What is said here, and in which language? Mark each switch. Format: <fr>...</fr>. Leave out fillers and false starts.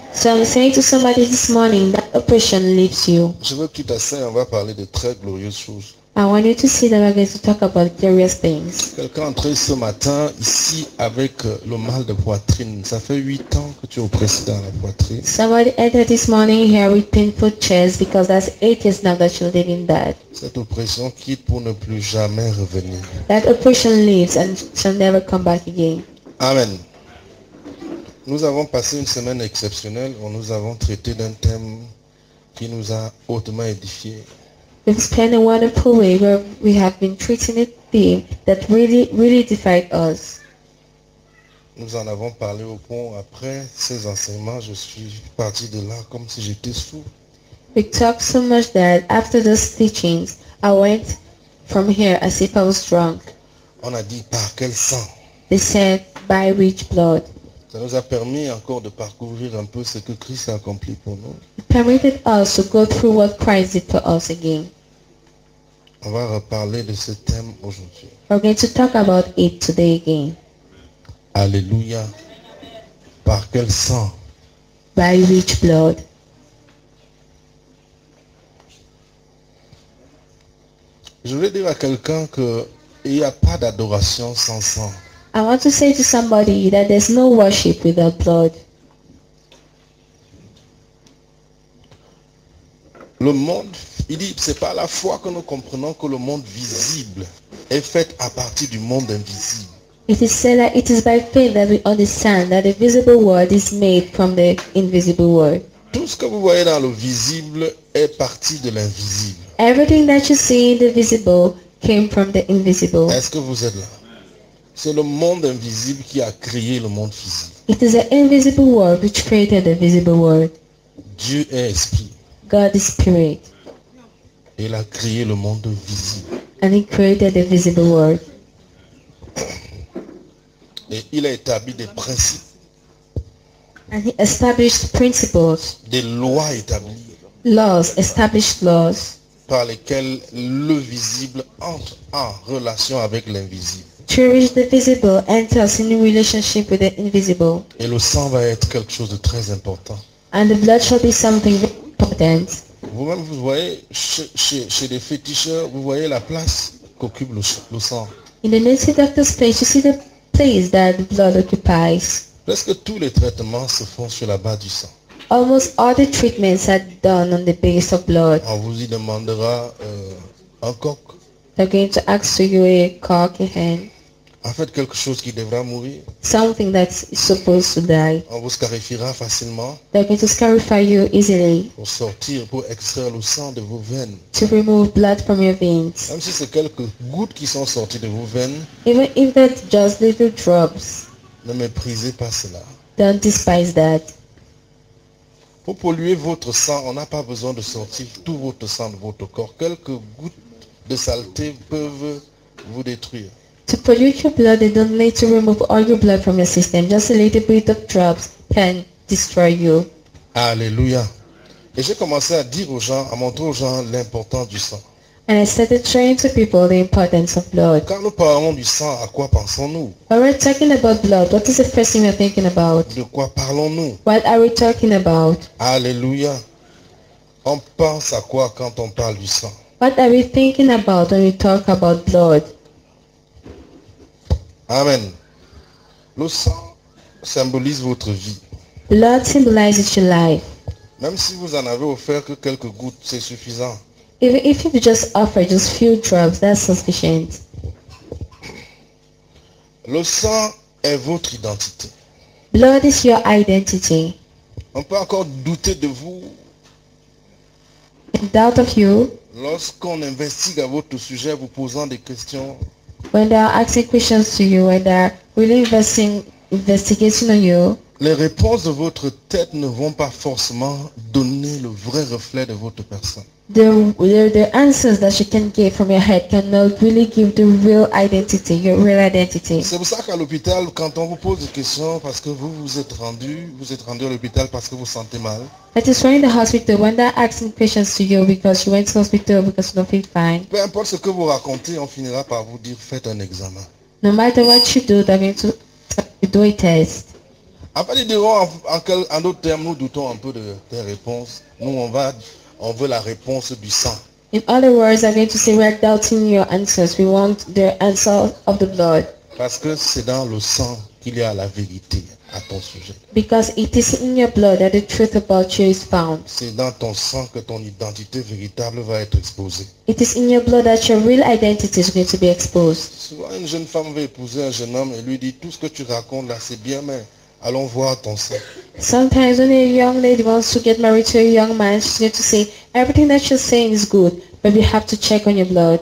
<en>So I'm saying to somebody this morning that oppression leaves you.</en> <fr>Je veux que tu t'assoies, on va parler de très glorieuses choses.</fr> <en>I want you to see that we're going to talk about glorious things.</en> <fr>Quelqu'un entré ce matin ici avec le mal de poitrine. Ça fait 8 ans que tu es oppressé dans la poitrine.</fr> <en>Somebody entered this morning here with painful chest because that's 8 years now that you're living that.</en> <fr>Cette oppression quitte pour ne plus jamais revenir.</fr> <en>That oppression leaves and shall never come back again. Amen.</en> <fr>Nous avons passé une semaine exceptionnelle où nous avons traité d'un thème qui nous a hautement édifié.</fr> <en>We've spent a wonderful way where we have been treating a theme that really, really defied us.</en> <fr>Nous en avons parlé au pont après ces enseignements. Je suis parti de là comme si j'étais fou.</fr> <en>We talked so much that after those teachings, I went from here as if I was drunk.</en> <fr>On a dit par quel sang?</fr> <en>They said by which blood?</en> <fr>Ça nous a permis encore de parcourir un peu ce que Christ a accompli pour nous.</fr> <en>It permitted us to go through what Christ did for us again.</en> <fr>On va reparler de ce thème aujourd'hui.</fr> <en>We're going to talk about it today again.</en> <fr>Alléluia. Par quel sang?</fr> <en>By which blood?</en> <fr>Je vais dire à quelqu'un qu'il n'y a pas d'adoration sans sang.</fr> <en>I want to say to somebody that there's no worship without blood.</en> <fr>Le monde, il dit, c'est par la foi que nous comprenons que le monde visible est fait à partir du monde invisible.</fr> <en>It is said that it is by faith that we understand that the visible world is made from the invisible world.</en> <fr>Tout ce que vous voyez dans le visible est parti de l'invisible.</fr> <en>Everything that you see in the visible came from the invisible.</en> <fr>Est-ce que vous êtes là? C'est le monde invisible qui a créé le monde physique.</fr> <en>It is an invisible world which created the visible world.</en> <fr>Dieu est esprit.</fr> <en>God is spirit.</en> <fr>Il a créé le monde visible.</fr> <en>And he created the visible world.</en> <fr>Et il a établi des principes.</fr> <en>And he established principles.</en> <fr>Des lois établies.</fr> <en>Laws, established laws.</en> <fr>Par lesquelles le visible entre en relation avec l'invisible.</fr> <en>To reach the visible enters in relationship with the invisible.</en> <fr>Et le sang va être quelque chose de très important.</fr> <en>And the blood shall be something very important.</en> <fr>Vous-même, vous voyez, chez les féticheurs, vous voyez la place qu'occupe le sang.</fr> <en>In the native doctor's place, you see the place that the blood occupies.</en> <fr>Presque tous les traitements se font sur la base du sang.</fr> <en>Almost all the treatments are done on the base of blood.</en> <fr>On vous y demandera un coq.</fr> <en>They're going to ask you a cock, a hen.</en> <fr>En fait, quelque chose qui devra mourir.</fr> <en>Something that is supposed to die.</en> <fr>On vous scarifiera facilement.</fr> <en>They're going to scarify you easily.</en> <fr>Pour sortir, pour extraire le sang de vos veines.</fr> <en>To remove blood from your veins.</en> <fr>Même si c'est quelques gouttes qui sont sorties de vos veines.</fr> <en>Even if that's just little drops.</en> <fr>Ne méprisez pas cela.</fr> <en>Don't despise that.</en> <fr>Pour polluer votre sang, on n'a pas besoin de sortir tout votre sang de votre corps. Quelques gouttes de saleté peuvent vous détruire.</fr> <en>To pollute your blood, they don't need to remove all your blood from your system. Just a little bit of drops can destroy you.</en> <fr>Alléluia. Et j'ai commencé à dire aux gens, à montrer aux gens l'importance du sang.</fr> <en>And I started showing to people the importance of blood.</en> <fr>Quand nous parlons du sang, à quoi pensons-nous?</fr> <en>When we're talking about blood, what is the first thing we're thinking about?</en> <fr>De quoi parlons-nous?</fr> <en>What are we talking about?</en> <fr>Alléluia. On pense à quoi quand on parle du sang?</fr> <en>What are we thinking about when we talk about blood? Amen.</en> <fr>Le sang symbolise votre vie.</fr> <en>Blood symbolizes your life.</en> <fr>Même si vous en avez offert que quelques gouttes, c'est suffisant.</fr> <en>Even if you just offer just few drops, that's sufficient.</en> <fr>Le sang est votre identité.</fr> <en>Blood is your identity.</en> <fr>On peut encore douter de vous.</fr> <en>In doubt of you.</en> <fr>Lorsqu'on investigue à votre sujet, vous posant des questions.</fr> <en>When they are asking questions to you, when they are really investigating on you.</en> <fr>Les réponses de votre tête ne vont pas forcément donner le vrai reflet de votre personne.</fr> <en>The answers that you can get from your head cannot really give the real identity, your real identity.</en> <fr>C'est pour ça qu'à l'hôpital, quand on vous pose des questions parce que vous êtes rendu à l'hôpital parce que vous sentez mal.</fr> <en>That is why in the hospital, when they're asking questions to you because you went to the hospital because you don't feel fine.</en> <fr>Peu importe ce que vous racontez, on finira par vous dire faites un examen.</fr> <en>No matter what you do, they're going to do a test.</en> <fr>En fait, ils diront en d'autres termes, nous doutons un peu de tes réponses. Nous, on veut la réponse du sang.</fr> <en>In other words, I'm going to say we are doubting your answers. We want the answer of the blood.</en> <fr>Parce que c'est dans le sang qu'il y a la vérité à ton sujet.</fr> <en>Because it is in your blood that the truth about you is found.</en> <fr>C'est dans ton sang que ton identité véritable va être exposée.</fr> <en>It is in your blood that your real identity is going to be exposed.</en> <fr>Souvent, une jeune femme veut épouser un jeune homme et lui dit tout ce que tu racontes là, c'est bien, mais allons voir ton sang.</fr> <en>Sometimes when a young lady wants to get married to a young man, she's going to say, everything that you're saying is good, but you have to check on your blood.</en>